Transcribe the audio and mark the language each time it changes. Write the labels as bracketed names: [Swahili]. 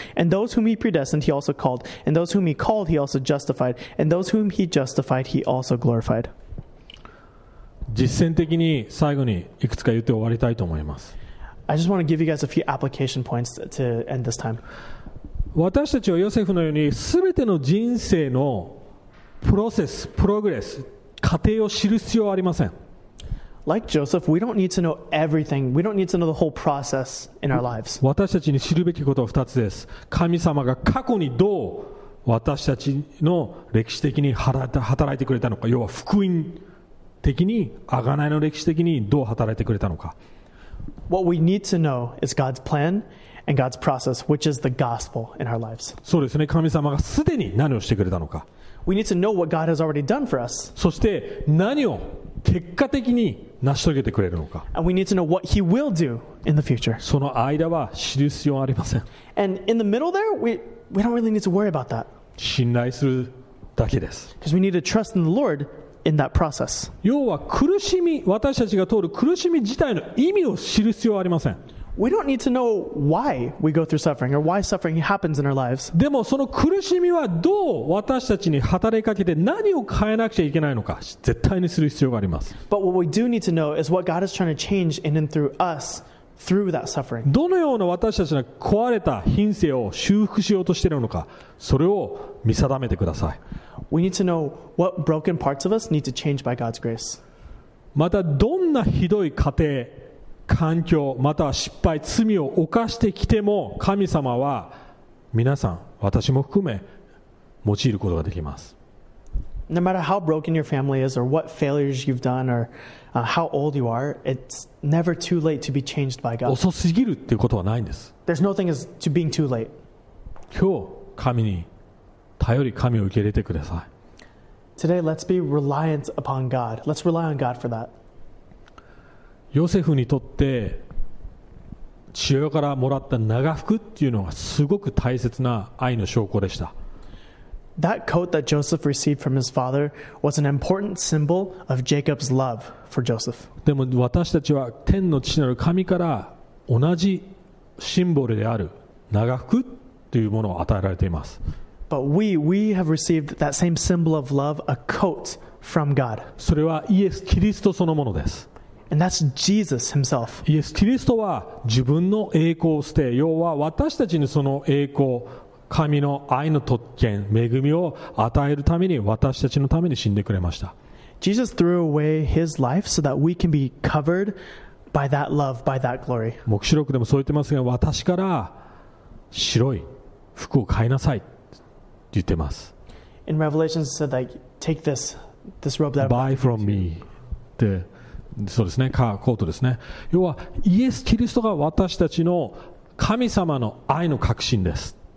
[English] And those whom he predestined, he also called. And those whom he called, he also justified. And those whom he justified, he also glorified." [Japanese] 実践的に最後にいくつか言って終わりたいと思います。 [English] I just want to give you guys a few application points to end this time. [Japanese] 私たちはヨセフのように全ての人生のプロセス、プログレス、過程を知る必要はありません。 [English] Like Joseph, we don't need to know everything. We don't need to know the whole process in our lives. [Japanese] 私たちに知るべきことは2つです。神様が過去にどう私たちの歴史的に働いてくれたのか、要は福音的に、贖いの歴史的にどう働いてくれたのか。 [English] What we need to know is God's plan and God's process, which is the gospel in our lives. [Japanese] そうですね。神様がすでに何をしてくれたのか。 [English] We need to know what God has already done for us. [Japanese] そして何を結果的に成し遂げてくれるのか。 [English] And we need to know what He will do in the future. [Japanese] その間は知る必要ありません。 [English] And in the middle there, we don't really need to worry about that. [Japanese] 信頼するだけです。 [English] Because we need to trust in the Lord. In that process. [Japanese] 要は苦しみ、私たちが通る苦しみ自体の意味を知る必要はありません。 [English] We don't need to know why we go through suffering or why suffering happens in our lives. [Japanese] でもその苦しみはどう私たちに働きかけて何を変えなくちゃいけないのか、絶対に知る必要があります。 [English] But what we do need to know is what God is trying to change in and through us through that suffering. [Japanese] どのような私たちの壊れた品性を修復しようとしているのか、それを見定めてください。 [English] We need to know what broken parts of us need to change by God's grace. [Japanese] またどんなひどい家庭、環境、または失敗、罪を犯してきても、神様は皆さん、私も含め、用いることができます。 [English] No matter how broken your family is, or what failures you've done, or how old you are, it's never too late to be changed by God. [Japanese] 遅すぎるっていうことはないんです。 [English] There's no thing as to being too late. [Japanese] 今日、神に頼り、神を受け入れてください。 [English] Today, let's be reliant upon God. Let's rely on God for that. [Japanese] ヨセフにとって父親からもらった長服っていうのはすごく大切な愛の証拠でした。 [English] That coat that Joseph received from his father was an important symbol of Jacob's love for Joseph. [Japanese] でも私たちは天の父なる神から同じシンボルである長服っていうものを与えられています。 [English] But we have received that same symbol of love, a coat from God. [Japanese] それはイエス・キリストそのものです。 [English] And that's Jesus himself. [Japanese] イエス・キリストは自分の栄光を捨て、要は私たちにその栄光、神の愛の特権、恵みを与えるために、私たちのために死んでくれました。 [English] Jesus threw away his life so that we can be covered by that love, by that glory. [Japanese] 黙示録でもそう言ってますが、私から白い服を買いなさい。言ってます。 [English] In Revelation it said like take this robe that buy from me [Japanese] で、そうですね、カーコートですね。要はイエス・キリストが私たちの神様の愛の確信です。